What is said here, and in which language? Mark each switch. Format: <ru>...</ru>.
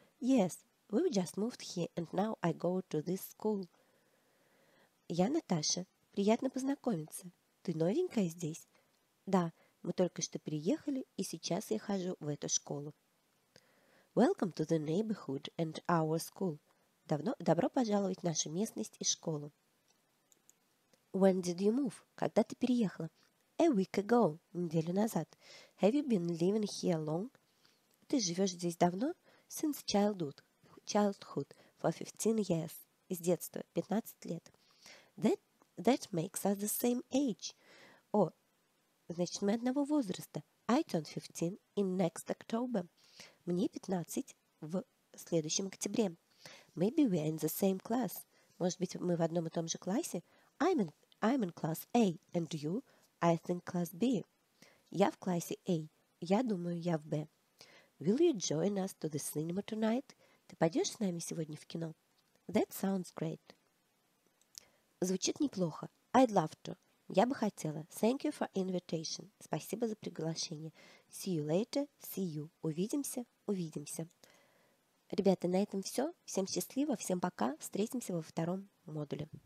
<en>Yes, we've just moved here and now I go to this school.</en> <ru>Я Наташа. Приятно познакомиться. Ты новенькая здесь? Да, Мы только что переехали, и сейчас я хожу в эту школу.</ru> <en>Welcome to the neighborhood and our school.</en> <ru>Добро пожаловать в нашу местность и школу.</ru> <en>When did you move?</en> <ru>Когда ты переехала?</ru> <en>A week ago.</en> <ru>Неделю назад.</ru> <en>Have you been living here long?</en> <ru>Ты живешь здесь давно?</ru> <en>Since childhood. For 15 years.</en> <ru>С детства. 15 лет.</ru> <en>That makes us the same age.</en> <ru>О, значит, мы одного возраста.</ru> <en>I turn 15 in next October.</en> <ru>Мне 15 в следующем октябре.</ru> <en>Maybe we are in the same class.</en> <ru>Может быть, мы в одном и том же классе?</ru> <en>I'm in class A, and you? I think class B.</en> <ru>Я в классе A. Я думаю, я в B.</ru> <en>Will you join us to the cinema tonight?</en> <ru>Ты пойдешь с нами сегодня в кино?</ru> <en>That sounds great.</en> <ru>Звучит неплохо.</ru> <en>I'd love to.</en> <ru>Я бы хотела.</ru> <en>Thank you for invitation.</en> <ru>Спасибо за приглашение.</ru> <en>See you later. See you.</en> <ru>Увидимся. Увидимся. Ребята, на этом все. Всем счастливо. Всем пока. Встретимся во втором модуле.</ru>